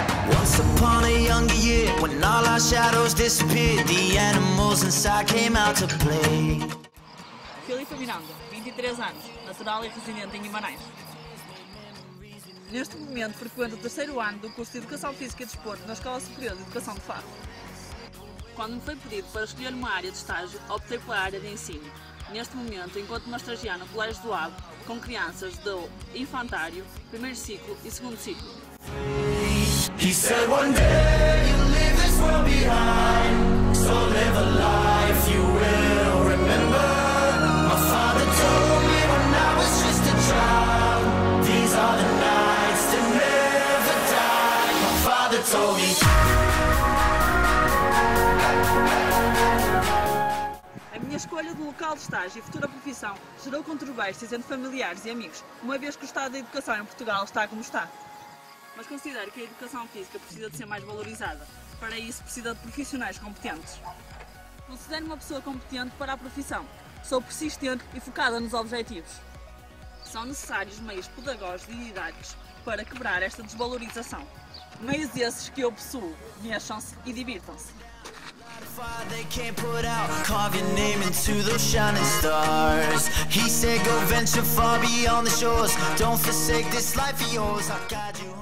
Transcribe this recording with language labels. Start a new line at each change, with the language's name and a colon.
English: Once upon a younger year, when all our shadows disappeared, the animals inside came out to play.
Portuguese: Filipe Miranda, 23 anos, natural e residente em Guimarães. Neste momento, frequento o terceiro ano do curso de Educação Física e Desporto na Escola Superior de Educação de Faro. Quando me foi pedido para escolher uma área de estágio, optei pela área de ensino. Neste momento, encontro-me a estagiar no Colégio do Ave, com crianças do infantário, primeiro ciclo e segundo ciclo.
English: He said one day you leave this world behind, so live a life you will remember. My father told me when I was just a child, these are the nights to never die. My father told me.
Portuguese: A escolha do local de estágio e futura profissão gerou controvérsias entre familiares e amigos, uma vez que o estado da educação em Portugal está como está. Mas considero que a educação física precisa de ser mais valorizada. Para isso, precisa de profissionais competentes. Considero uma pessoa competente para a profissão. Sou persistente e focada nos objetivos. São necessários meios pedagógicos e didáticos para quebrar esta desvalorização. Meios esses que eu possuo. Mexam-se e divirtam-se.
English: They can't put out, carve your name into those shining stars. He said go venture far beyond the shores, don't forsake this life of yours, I'll guide you.